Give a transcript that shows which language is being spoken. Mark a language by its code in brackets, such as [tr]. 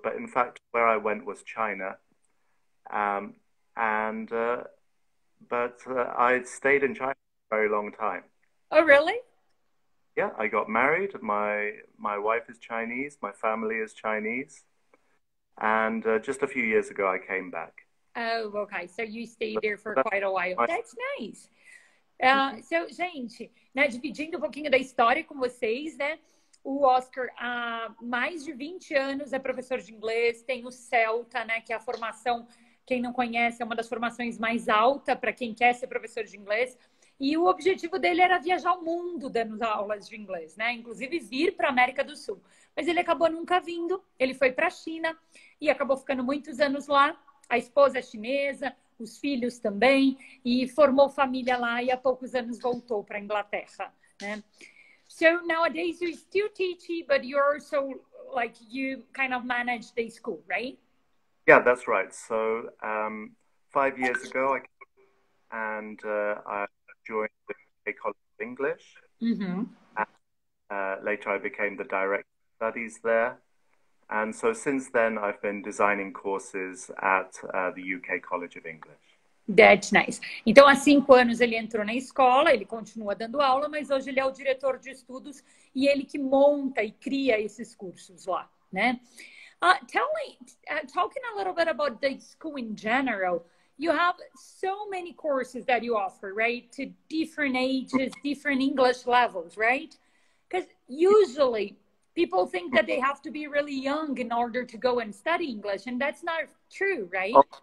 [en] But in fact, where I went was China. But I stayed in China for a very long time. Oh, really? Yeah, I got married. My wife is Chinese. My family is Chinese. And just a few years ago, I came back. Oh, okay. So you stayed there for That's quite a while. my That's nice. story. [pt] So, gente, né, dividindo um pouquinho da história com vocês, né? O Oscar há mais de 20 anos é professor de inglês, tem o CELTA, né, que é a formação, quem não conhece, é uma das formações mais alta para quem quer ser professor de inglês. E o objetivo dele era viajar o mundo dando aulas de inglês, né? Inclusive vir para a América do Sul. Mas ele acabou nunca vindo. Ele foi para a China e acabou ficando muitos anos lá. A esposa é chinesa, os filhos também, e formou família lá e há poucos anos voltou para a Inglaterra, né? [en] So nowadays you still teach, but you're also like you kind of manage the school, right? Yeah, that's right. So 5 years ago, I came and I joined the College of English. Later, I became the director of studies there. And so since then, I've been designing courses at the UK College of English. That's nice. [pt] Então, há 5 anos ele entrou na escola, ele continua dando aula, mas hoje ele é o diretor de estudos e ele que monta e cria esses cursos lá, né? [en] Talking a little bit about the school in general, you have so many courses that you offer, right? To different ages, different English levels, right? Because usually people think that they have to be really young in order to go and study English, and that's not true, right?